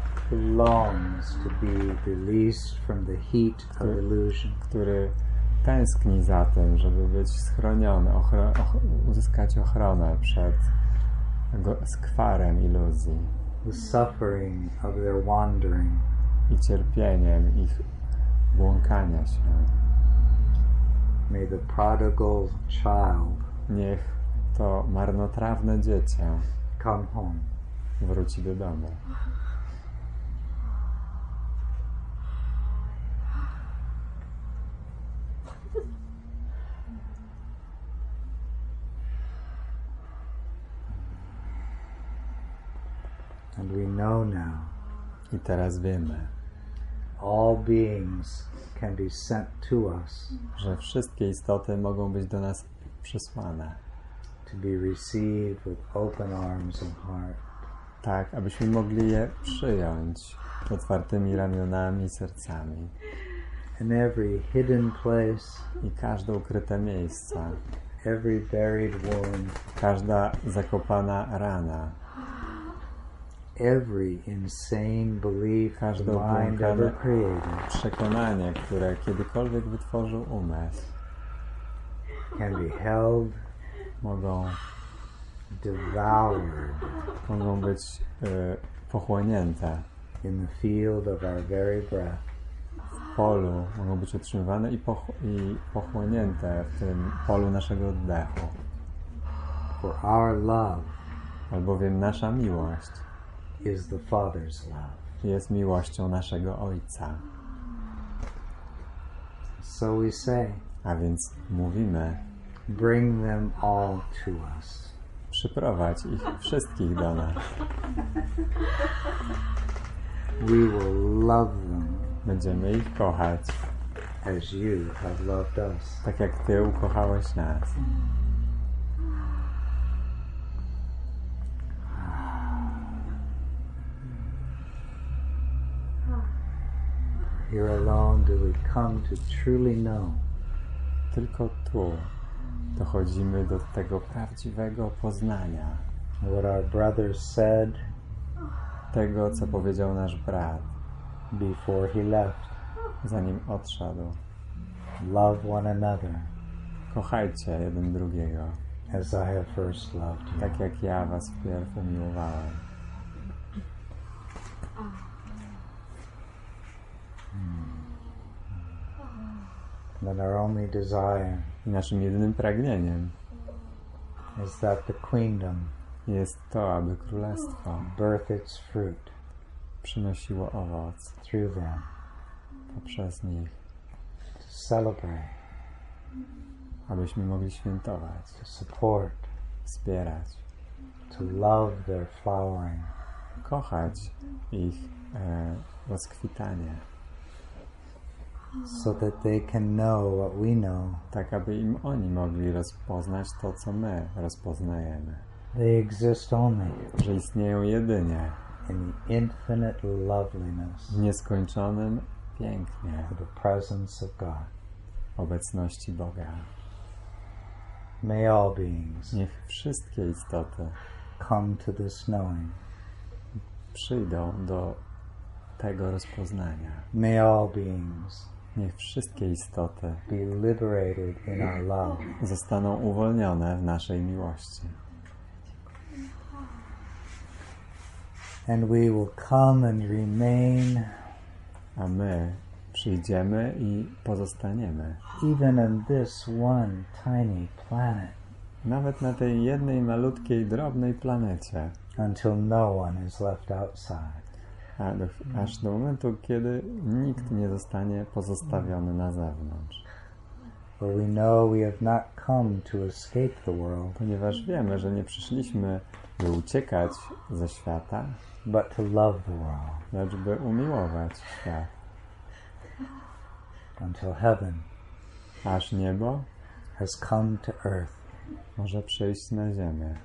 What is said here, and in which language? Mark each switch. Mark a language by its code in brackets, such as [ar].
[en] who longs to be released from the heat of illusion, [pl] który tęskni za tym, żeby być schroniony, uzyskać ochronę przed skwarem iluzji. [en] The suffering of their wandering. [pl] I cierpieniem ich błąkania się. [en] May the prodigal child. [pl] Niech to marnotrawne dziecię [en] come home. [pl] Wróci do domu. [en] And we know now. [pl] I teraz wiemy. [en] All beings can be sent to us. [pl] Że wszystkie istoty mogą być do nas przysłane. [en] To be received with open arms and heart. [pl] Tak, abyśmy mogli je przyjąć z otwartymi ramionami i sercami. [en] In every hidden place. [pl] I każde ukryte miejsce. [en] Every buried wound. [pl] Każda zakopana rana. [en] Every insane belief the mind ever created, [pl] przekonanie, które kiedykolwiek wytworzył umysł, [en] can be held, [pl] mogą [en] devoured, [pl] mogą być pochłonięte [en] in the field of our very breath, [pl] w polu mogą być otrzymywane i pochłonięte w tym polu naszego oddechu. [en] For our love, [pl] albowiem nasza miłość [en] is the Father's love. [pl] Jest miłością naszego Ojca. [en] So we say. [pl] A więc mówimy. [en] Bring them all to us. [pl] Przyprowadź ich wszystkich do nas. [en] We will love them. [pl] Będziemy ich kochać. [en] As you have loved us. [pl] Tak jak Ty ukochałeś nas. [en] Here alone do we come to truly know. [pl] Tylko tu dochodzimy do tego prawdziwego poznania. [en] What our brother said. [pl] Tego, co powiedział nasz brat. [en] Before he left. [pl] Zanim odszedł. [en] Love one another. [pl] Kochajcie jeden drugiego. [en] As I have first loved you. [pl] Tak jak ja was wpierw umiłowałem. [en] That our only desire, [pl] i naszym jedynym pragnieniem, [en] is that the queendom, [pl] jest to, aby królestwo, [en] birth its fruit, [pl] przynosiło owoc, [en] through them, [pl] poprzez nich, [en] to celebrate, [pl] abyśmy mogli świętować, [en] to support, [pl] wspierać, [en] to love their flowering, [pl] kochać ich rozkwitanie. [en] So that they can know what we know. [pl] Tak aby im oni mogli rozpoznać to, co my rozpoznajemy. [en] They exist only [pl] że istnieją jedynie [en] in the infinite loveliness [pl] w nieskończonym pięknie [en] of the presence of God. [pl] Obecności Boga. [en] May all beings [pl] niech wszystkie istoty [en] come to this knowing. [pl] Przyjdą do tego rozpoznania. [en] May all beings [pl] niech wszystkie istoty [en] be liberated in our love. [pl] Zostaną uwolnione w naszej miłości. [en] And we will come and remain. [pl] A my przyjdziemy i pozostaniemy. [en] Even on this one tiny planet. [pl] Nawet na tej jednej malutkiej, drobnej planecie. [en] Until no one is left outside. [pl] Aż do momentu, kiedy nikt nie zostanie pozostawiony na zewnątrz. [en] But we know we have not come to escape the world. [pl] Ponieważ wiemy, że nie przyszliśmy, by uciekać ze świata. [en] But to love the world. [pl] Lecz by umiłować świat. [en] Until heaven. [pl] Aż niebo. [en] Has come to earth. [pl] Może przejść na ziemię.